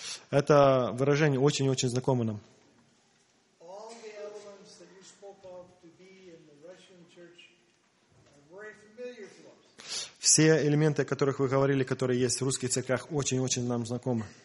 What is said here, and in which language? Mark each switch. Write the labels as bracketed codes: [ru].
[ru] Это выражение очень-очень знакомо нам. [en] All the elements that you spoke of to be in the Russian church are very familiar. [ru] Все элементы, о которых вы говорили, которые есть в русских церквях, очень-очень нам знакомы.